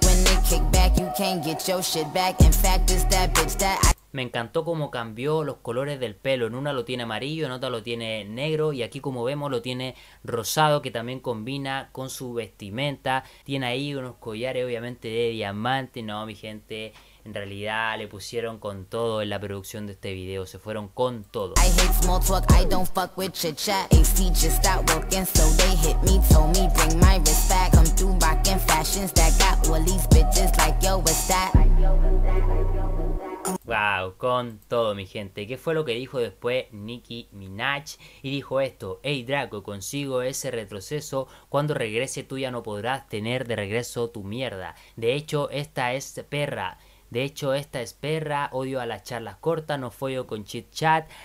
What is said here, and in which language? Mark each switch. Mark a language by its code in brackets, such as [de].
[en] When they kick back, you can't get your shit back. In fact, it's that bitch that I... [es] Me encantó cómo cambió los colores del pelo. En una lo tiene amarillo, en otra lo tiene negro. Y aquí, como vemos, lo tiene rosado, que también combina con su vestimenta. Tiene ahí unos collares, obviamente, de diamante. No, mi gente, en realidad le pusieron con todo en la producción de este video. Se fueron con todo. [en] I hate small talk, I don't fuck with your chat. AC just out working, so they hit me, told me bring my wrist back. Come through rocking fashions that got all these bitches like, yo, what's that? [es] Wow, con todo, mi gente. ¿Qué fue lo que dijo después Nicki Minaj? Y dijo esto: hey Draco, consigo ese retroceso. Cuando regrese tú ya no podrás tener de regreso tu mierda. De hecho esta es perra. De hecho esta es perra. Odio a las charlas cortas. No follo con chit chat.